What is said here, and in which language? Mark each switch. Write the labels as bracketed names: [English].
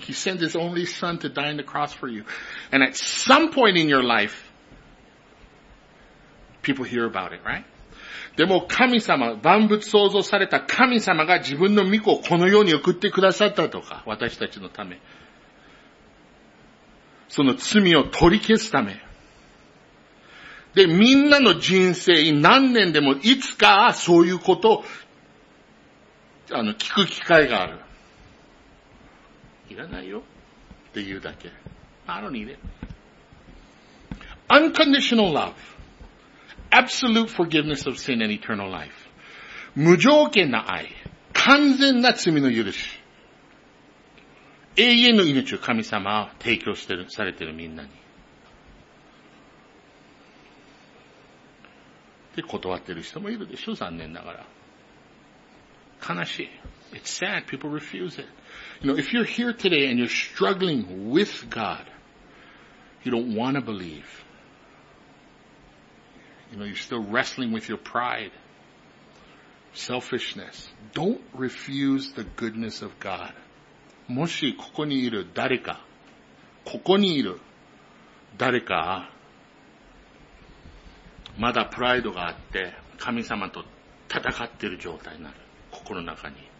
[English] He sent his only son to die on the cross for you. And at some point in your life, people hear about it, right? [Japanese] でも神様、万物創造された神様が自分の御子をこの世に送ってくださったとか、私たちのため。その罪を取り消すため。で、みんなの人生、何年でもいつかそういうことを、聞く機会がある。いらないよ。って言うだけ。 [English] I don't need it. Unconditional love. Absolute forgiveness of sin and eternal life. [Japanese] 無条件な愛。完全な罪の許し。永遠の命を神様は提供してる、されてるみんなに。で、断ってる人もいるでしょ、残念ながら。悲しい。 [English] It's sad. People refuse it. You know, if you're here today and you're struggling with God, you don't want to believe. You know, you're still wrestling with your pride, selfishness. Don't refuse the goodness of God. [Japanese] もしここにいる誰か、ここにいる誰か、まだプライドがあって神様と戦っている状態になる、心の中に。